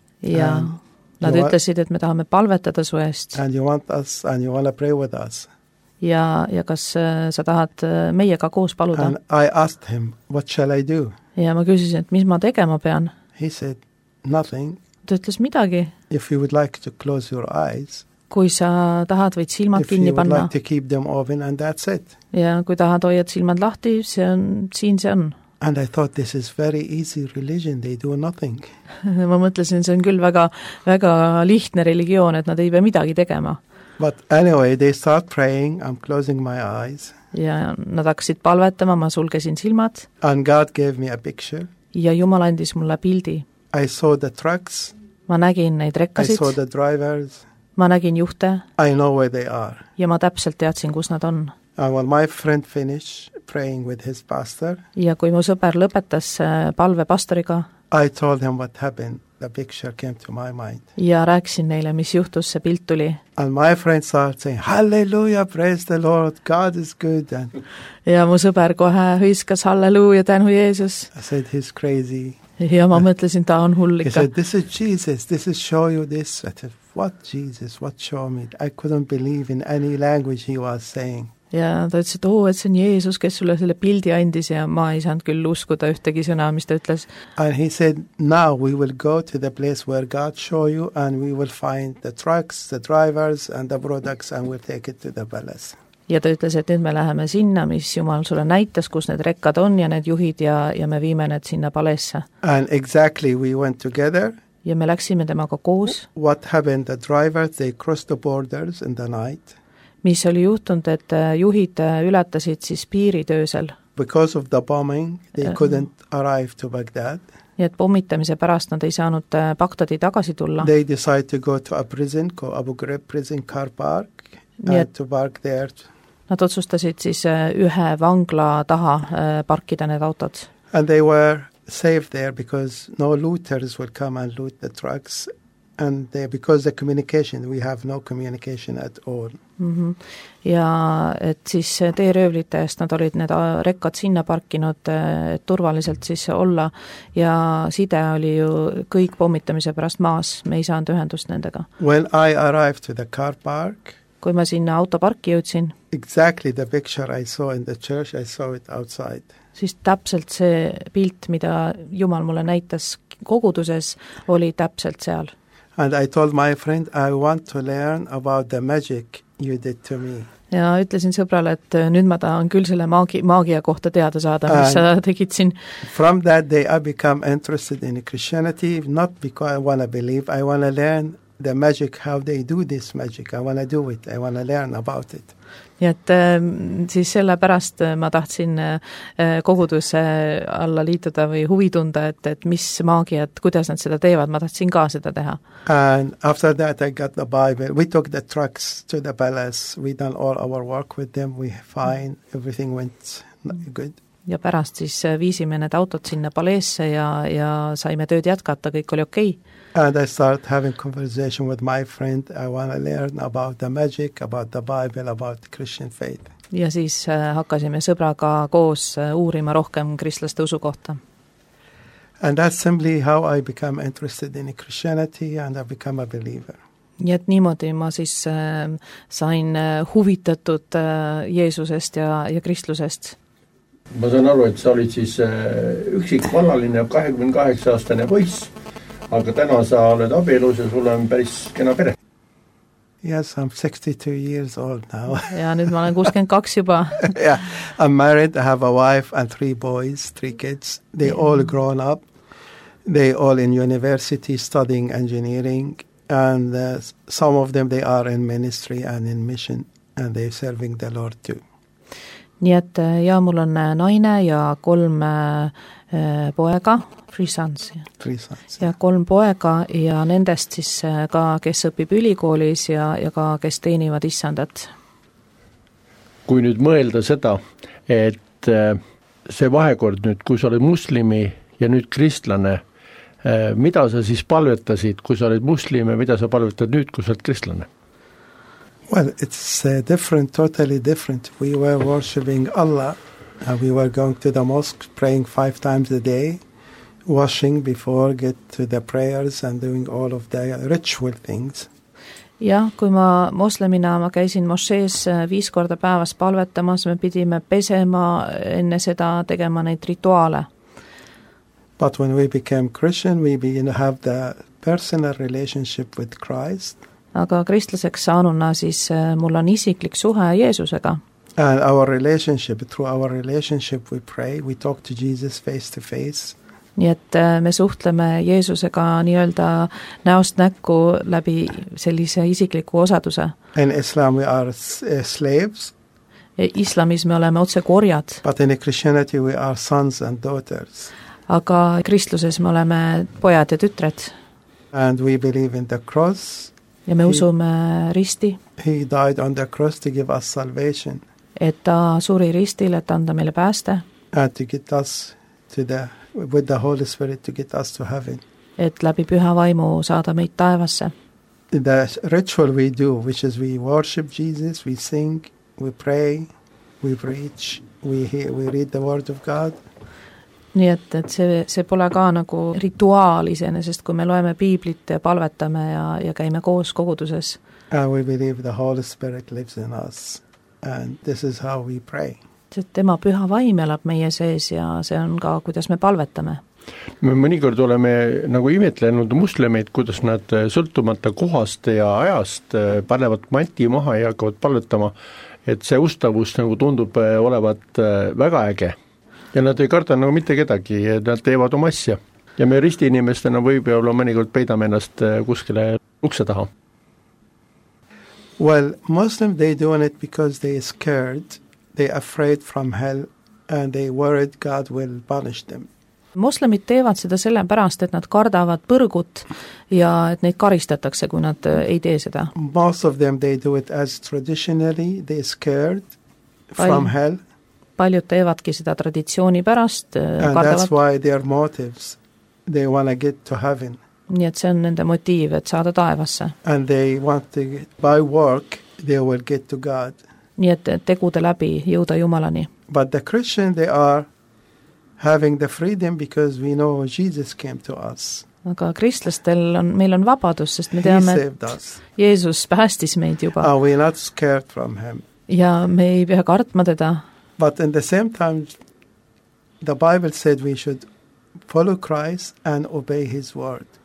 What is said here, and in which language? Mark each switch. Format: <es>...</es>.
<et>Ja nad ütlesid, et me tahame palvetada su eest.</et> <en>And you want us and you want to pray with us.</en> <et>Ja kas sa tahad meiega koos paluda?</et> <en>And I asked him, what shall I do?</en> <et>Ja ma küsisin, et mis ma tegema pean?</et> <en>He said, nothing.</en> <et>Ta ütles midagi.</et> <en>If you would like to close your eyes.</en> <et>Kui sa tahad, võid silmad kinni panna.</et> <en>If you would like to keep them open and that's it.</en> <et>Ja kui tahad, hoiad silmad lahti, see on, siin see on.</et> <en>And I thought this is very easy religion, they do nothing.</en> <et>Ma mõtlesin, see on küll väga, väga lihtne religioon, et nad ei pea midagi tegema.</et> <en>But anyway, they start praying, I'm closing my eyes.</en> <et>Ja nad hakkasid palvetama, ma sulgesin silmad.</et> <en>And God gave me a picture.</en> <et>Ja Jumal andis mulle pildi.</et> <en>I saw the trucks.</en> <et>Ma nägin neid rekkasid.</et> <en>I saw the drivers.</en> <et>Ma nägin juhte.</et> <en>I know where they are.</en> <et>Ja ma täpselt teadsin, kus nad on.</et> <en>And when my friend finished praying with his pastor.</en> <et>Ja kui mu sõber lõpetas palve pastoriga.</et> <en>I told him what happened. The picture came to my mind.</en> <et>Ja rääksin neile, mis juhtus, see pilt tuli.</et> <en>And my friend started saying, hallelujah, praise the Lord, God is good. And</en> <et>ja mu sõber kohe hüiskas, hallelujah, tänu Jeesus.</et> <en>I said, he's crazy.</en> <et>Ja ma mõtlesin, ta on hullika.</et> <en>He said, this is Jesus, this is show you this. I said, what Jesus, what show me? I couldn't believe in any language he was saying.</en> <et>Ja ta ütles, et et see on Jeesus, kes sulle selle pildi andis ja ma ei saanud küll uskuda ühtegi sõna, mis ta ütles.</et> <en>And he said, now we will go to the place where God show you and we will find the trucks, the drivers and the products and we'll take it to the palace.</en> <et>Ja ta ütles, et nüüd me läheme sinna, mis Jumal sulle näitas, kus need rekkad on ja need juhid ja me viime need sinna palesse.</et> <en>And exactly we went together.</en> <et>Ja me läksime temaga koos.</et> <en>What happened, the drivers, they crossed the borders in the night.</en> <et>Mis oli juhtunud, et juhid ületasid siis piiritöösel.</et> <en>Because of the bombing, they couldn't arrive to Baghdad.</en> <et>Ja et pommitamise pärast nad ei saanud Bagdadi tagasi tulla.</et> <en>They decided to go to a prison, go Abu Ghraib prison car park, and to park there.</en> <et>Nad otsustasid siis ühe vangla taha parkida need autod.</et> <en>And they were saved there because no looters would come and loot the trucks. And they, because the communication, we have no communication at all.</en> <et>Mm-hmm. Ja et siis teeröövlite eest nad olid need rekkad sinna parkinud, et turvaliselt siis olla. Ja side oli ju kõik pommitamise pärast maas, me ei saanud ühendust nendega.</et> <en>When I arrived to the car park.</en> <et>Kui ma sinna autoparki jõudsin.</et> <en>Exactly the picture I saw in the church, I saw it outside.</en> <et>Siis täpselt see pilt, mida Jumal mulle näitas koguduses, oli täpselt seal.</et> <en>And I told my friend, I want to learn about the magic you did to me.</en> <et>Ja ütlesin sõbrale, et nüüd ma tahan küll selle maagia kohta teada saada, mis sa tegid siin.</et> <en>From that day I become interested in Christianity, not because I want to believe, I want to learn the magic, how they do this magic, I want to do it, I want to learn about it.</en> <et>Ja et siis selle pärast ma tahtsin koguduse alla liituda või huvitunda, et mis maagiat, kuidas nad seda teevad, ma tahtsin ka seda teha.</et> <en>And after that I got the Bible, we took the trucks to the palace, we done all our work with them, we fine, everything went good.</en> <et>ja pärast siis viisime need autod sinna paleesse ja saime tööd jätkata, kõik oli okei.</et> <en>And I start having conversation with my friend. I want to learn about the magic, about the Bible, about Christian faith.</en> <et>Ja siis hakkasime sõbraga koos uurima rohkem kristlaste usu kohta.</et> <en>And that's simply how I become interested in Christianity and I become a believer.</en> <et>Ja et niimoodi ma siis sain huvitatud Jeesusest ja kristlusest. Ma saan aru, et sa olid siis üksik vallaline 28-aastane poiss, aga täna sa oled abielus ja sul on päris kena pere.</et> <en>Yes, I'm 62 years old now.</en> <et>Ja nüüd ma olen 62 juba.</et> <en>Yeah, I'm married, I have a wife and 3 boys, 3 kids. They all grown up. They all in university studying engineering. And some of them, they are in ministry and in mission and they are serving the Lord too.</en> <et>Nii et jaa, mul on naine ja 3 poega,</et> <en>3 sons.</en> <et>Ja 3 poega ja nendest siis ka, kes õpib ülikoolis ja ka, kes teenivad issandat. Kui nüüd mõelda seda, et see vahekord nüüd, kui sa oled muslimi ja nüüd kristlane, mida sa siis palvetasid, kui sa oled muslim ja mida sa palvetad nüüd, kui sa oled kristlane?</et> <en>Well, it's different, totally different. We were worshiping Allah. We were going to the mosque, praying 5 times a day, washing before, get to the prayers and doing all of the ritual things.</en> <et>Ja kui ma moslemina, ma käisin mosees 5 korda päevas palvetamas, me pidime pesema enne seda tegema neid rituaale.</et> <en>But when we became Christian, we begin to have the personal relationship with Christ.</en> <et>Aga kristlaseks saanuna siis mul on isiklik suhe Jeesusega.</et> <en>And our relationship, through our relationship we pray, we talk to Jesus face to face.</en> <et>Nii et me suhtleme Jeesusega nii-öelda näost näkku läbi sellise isikliku osaduse.</et> <en>In Islam we are slaves.</en> <et>Islamis me oleme otse korjad.</et> <en>But in Christianity we are sons and daughters.</en> <et>Aga kristluses me oleme pojad ja tütred.</et> <en>And we believe in the cross.</en> <et>Ja me usume risti.</et> <en>He died on the cross to give us salvation.</en> <et>Et ta suri ristil, et anda meile pääste.</et> <en>And to get us to the, with the Holy Spirit to get us to heaven.</en> <et>Et läbi püha vaimu saada meid taevasse.</et> <en>The ritual we do, which is we worship Jesus, we sing, we pray, we preach, we read the word of God.</en> <et>Nii et see pole ka nagu rituaal isenesest, kui me loeme piiblit ja palvetame ja käime koos koguduses.</et> <en>And we believe the Holy Spirit lives in us and this is how we pray.</en> <et>See, tema püha vaim elab meie sees ja see on ka, kuidas me palvetame. Me mõnikord oleme nagu imetlenud muslimeid, kuidas nad sõltumata kohast ja ajast panevad mati maha ja hakkavad palvetama, et see ustavus nagu tundub olevat väga äge. Ja nad ei karta nagu mitte kedagi, nad teevad oma asja. Ja me risti inimestena võib olla mõnikord peidame ennast kuskile ukse taha.</et> <en>Well, Muslims, they doing it because they are scared, they are afraid from hell and they worried God will punish them.</en> <et>Muslimid teevad seda selle pärast, et nad kardavad põrgut ja et neid karistatakse, kui nad ei tee seda.</et> <en>Most of them, they do it as traditionally, they are scared from hell.</en> <et>Paljud teevadki seda traditsiooni pärast.</et> <en>And</en> <et>kardavad.</et> <en>That's why their motives, they want to get to heaven.</en> <et>Nii et see on nende motiiv, et saada taevasse.</et> <en>And they want to, by work, they will get to God.</en> <et>Nii et tegude läbi jõuda Jumalani.</et> <en>But the Christian, they are having the freedom because we know Jesus came to us.</en> <et>Aga kristlastel on, meil on vabadus, sest me teame, et Jeesus päästis meid juba.</et> <en>Are we not scared from him?</en> <et>Ja me ei pea kartma teda.</et> <en>But in the same time, the Bible said we should follow Christ and obey his word.</en>